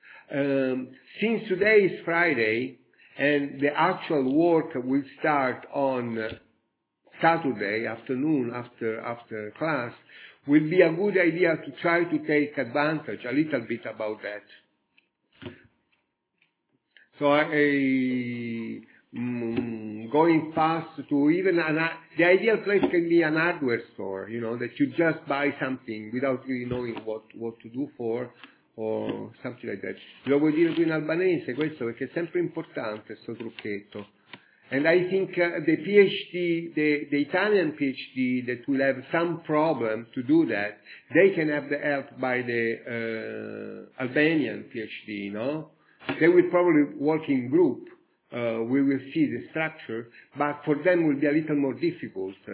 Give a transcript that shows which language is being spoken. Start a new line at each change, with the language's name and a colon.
English: Since today is Friday and the actual work will start on Saturday afternoon after class, will be a good idea to try to take advantage a little bit about that. So going fast to even the ideal place can be an hardware store, you know, that you just buy something without really knowing what to do for, or something like that.
Italian: Lo vuoi dire tu in albanese questo, perché è sempre importante questo trucchetto.
English: And I think the PhD, the Italian PhD that will have some problem to do that, they can have the help by the Albanian PhD, no? They will probably work in group. We will see the structure, but for them will be a little more difficult.